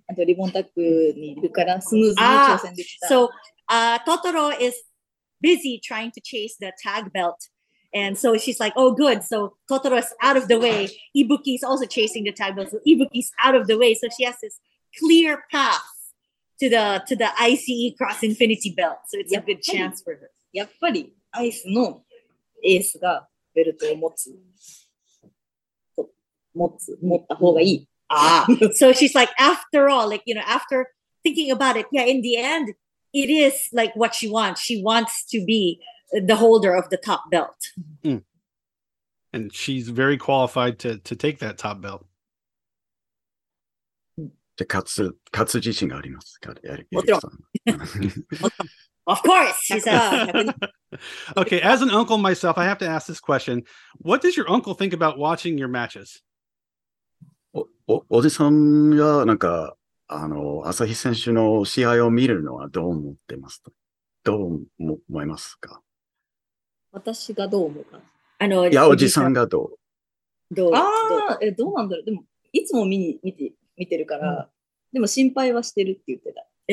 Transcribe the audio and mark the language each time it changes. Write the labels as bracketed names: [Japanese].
[Japanese] あとリボンタックにいるからスムーズに挑戦できた。 [English] So, Totoro is busy trying to chase the tag belt. And so she's like, oh, good. So Totoro is out of the way. Ibuki is also chasing the tag belt. So Ibuki is out of the way. So she has this clear path to the ICE Cross Infinity belt. So it's a good chance for her. [Japanese] やっぱり ICE のエースがベルトを持った方がいい。 Ah. [English] So she's like, after all, like, you know, after thinking about it, yeah, in the end, it is like what she wants. She wants to be... the holder of the top belt. Mm. And she's very qualified to take that top belt. [Japanese] で、勝つ自信があります。もちろん。 [English] Of course! She's a... okay, as an uncle myself, I have to ask this question. What does your uncle think about watching your matches? [Japanese] おじさんがなんか、あの、朝日選手の試合を見るのはどう思ってますか？どう思いますか？私がどう思うか。あの、いや、おじさんがどう。どう。ああ、え、どうなんだろう。でも、いつも見てるから、うん、でも心配はしてるって言ってた。